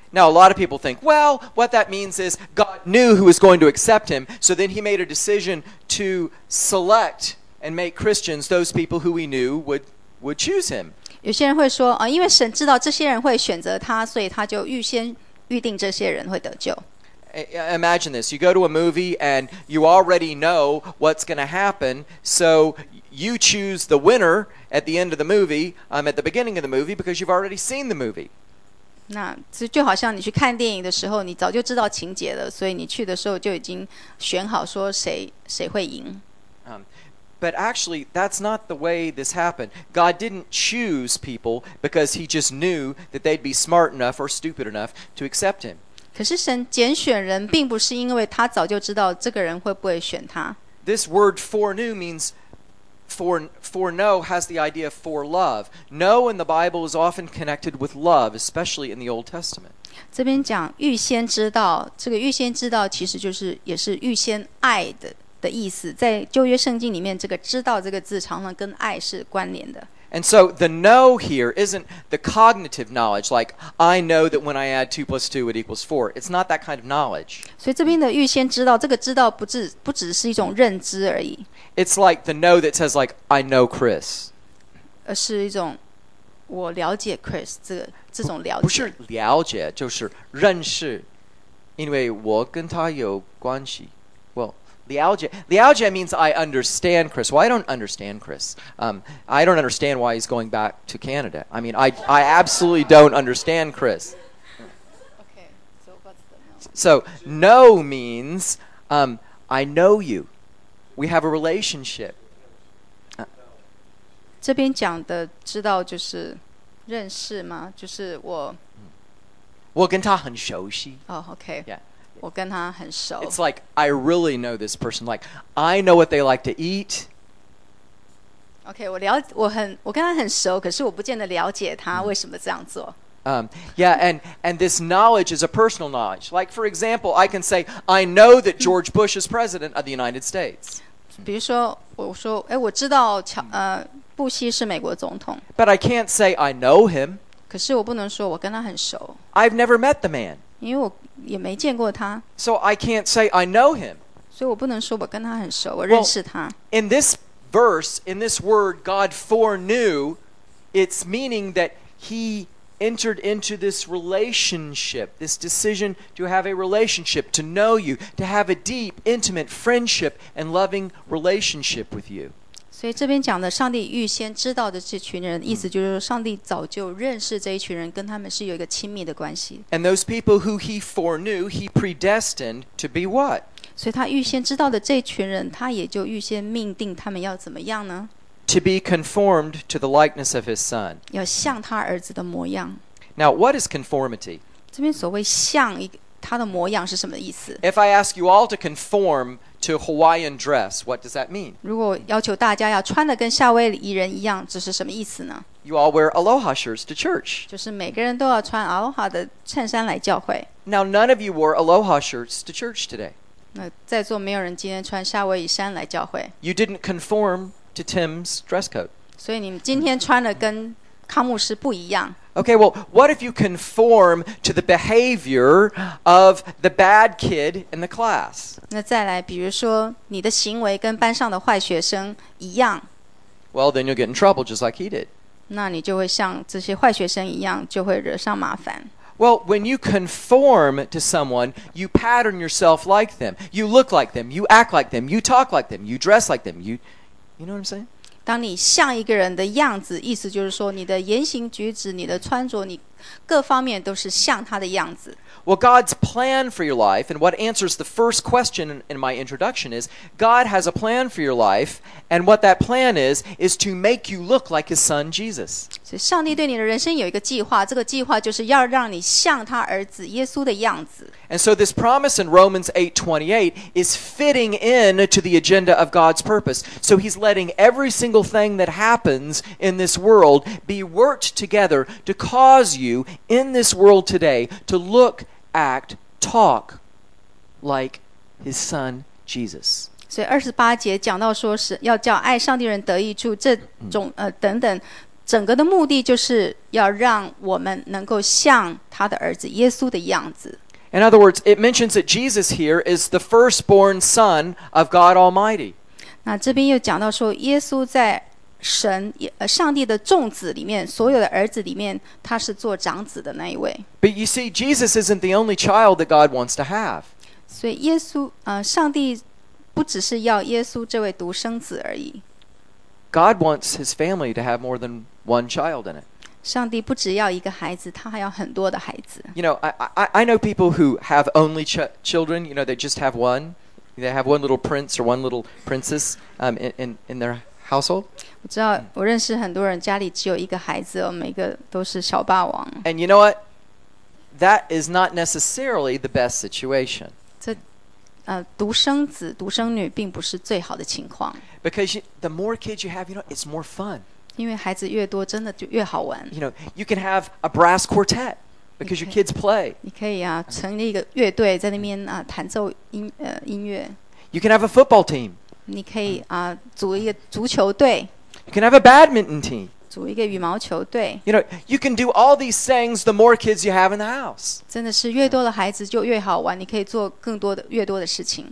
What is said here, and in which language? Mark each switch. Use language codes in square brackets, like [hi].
[en] Now a lot of people think, well, what that means is God knew who was going to accept him, so then he made a decision to select and make Christians those people who he knew would choose him. [zh] 有些人会说，因为神知道这些人会选择他，所以他就预先预定这些人会得救。 [en] Imagine this, you go to a movie and you already know what's going to happen, so you choose the winner at the end of the movie, at the beginning of the movie, because you've already seen the movie. [zh] 那就好像你去看电影的时候，你早就知道情节了，所以你去的时候就已经选好说谁会赢。 [en] But actually, that's not the way this happened. God didn't choose people because he just knew that they'd be smart enough or stupid enough to accept him. [zh] 可是神拣选人并不是因为他早就知道这个人会不会选他。 [en] This word foreknew means foreknow has the idea of forelove. Know in the Bible is often connected with love, especially in the Old Testament. [zh] 这边讲预先知道，这个预先知道其实就是也是预先爱 的意思。在旧约圣经里面，这个知道这个字常常跟爱是关联的。 [en] And so the know here isn't the cognitive knowledge, like I know that when I add 2 plus 2, it equals 4. It's not that kind of knowledge. [zh] 所以这边的预先知道，这个知道不只是一种认知而已。 [en] It's like the know that says, like, I know Chris. [zh] 而是一种我了解 Chris, 这种了解。不是了解，就是认识，因为我跟他有关系。 [en] Lialjia means I understand Chris. Well, I don't understand Chris. I don't understand why he's going back to Canada. I mean, I absolutely don't understand Chris. Okay, so what's the no? So, know means I know you. We have a relationship. [zh] 这边讲的知道就是认识吗？就是我。我跟他很熟悉。 [en] Oh, okay. Yeah. [zh] 我跟他很熟。 [en] It's like, I really know this person. Like, I know what they like to eat. [zh] Okay, 我跟他很熟，可是我不见得了解他为什么这样做。 [en] Yeah, and this knowledge is a personal knowledge. Like, for example, I can say, I know that George Bush is president of the United States. [zh] 比如说，我说，哎，我知道布希是美国总统。 [en] But I can't say I know him. [zh] 可是我不能说我跟他很熟。 [en] I've never met the man. [zh] 因为我也没见过他。 [en] So I can't say I know him. [zh] 所以我不能说我跟他很熟，我认识他。 [en] Well, in this verse, in this word, God foreknew, it's meaning that he entered into this relationship, this decision to have a relationship, to know you, to have a deep, intimate friendship and loving relationship with you. [zh] 所以这边讲的上帝预先知道的这群人，意思就是说上帝早就认识这一群人，跟他们是有一个亲密的关系。 [en] And those people who he foreknew, he predestined to be what? [zh] 所以他预先知道的这群人，他也就预先命定他们要怎么样呢？ [en] To be conformed to the likeness of his son. [zh] 要像他儿子的模样。 [en] Now, what is conformity? [zh] 这边所谓像他的模样是什么意思？ [en] If I ask you all to conformto Hawaiian dress, what does that mean? [zh] 如果要求大家要穿得跟夏威夷人一样，这是什么意思呢？ [en] You all wear aloha shirts to church. [zh] 就是每个人都要穿 aloha 的衬衫来教会。 [en] Now none of you wore aloha shirts to church today. [zh] 那在座没有人今天穿夏威夷衫来教会。 [en] You didn't conform to Tim's dress code. [zh] 所以你们今天穿得跟康牧师不一样。 [en] Okay, well, what if you conform to the behavior of the bad kid in the class? [zh] 那再来，比如说你的行为跟班上的坏学生一样。 [en] Well, then you'll get in trouble just like he did. [zh] 那你就会像这些坏学生一样，就会惹上麻烦。 [en] Well, when you conform to someone, you pattern yourself like them. You look like them. You act like them. You talk like them. You dress like them. You know what I'm saying? [zh] 当你像一个人的样子，意思就是说，你的言行举止、你的穿着，你各方面都是像他的样子。 [en] Well, God's plan for your life, and what answers the first question in my introduction is, God has a plan for your life, and what that plan is to make you look like His Son, Jesus. [zh] 所以上帝对你的人生有一个计划，这个计划就是要让你像他儿子耶稣的样子。 [en] And so this promise in Romans 8:28 is fitting in to the agenda of God's purpose. So He's letting every single thing that happens in this world be worked together to cause you in this world today to look, act, talk like His Son Jesus. [zh] 所以二十八节讲到说是要叫爱上帝人得益处，这种等等，整个的目的就是要让我们能够像他的儿子耶稣的样子。 [en] In other words, it mentions that Jesus here is the firstborn son of God Almighty. [zh] 那这边又讲到说耶稣在神上帝的众子里面，所有的儿子里面，他是做长子的那一位。 [en] But you see, Jesus isn't the only child that God wants to have. [zh] 所以耶稣，上帝不只是要耶稣这位独生子而已。 [en] God wants his family to have more than one child in it. [zh] 上帝不只要一个孩子，他还要很多的孩子。 [en] You know, I know people who have only children, you know, they just have one. They have one little prince or one little princess in their household. [zh] 我知道，我认识很多人家里只有一个孩子，每个都是小霸王。 [en] And you know what? That is not necessarily the best situation. [zh] 这独生子、独生女并不是最好的情况。 [en] Because the more kids you have, you know, it's more fun. [zh] 因为孩子越多真的就越好玩。 [en] You know, you can have a brass quartet because your kids play. [zh] 你可以啊，成立一个乐队在那边啊，弹奏音乐。 [en] You can have a football team. [zh] 你可以啊，组一个足球队。 [en] You can have a badminton team. [zh] 组一个羽毛球队。 [en] You know, you can do all these things the more kids you have in the house. [zh] 真的是越多的孩子就越好玩，你可以做更多的越多的事情。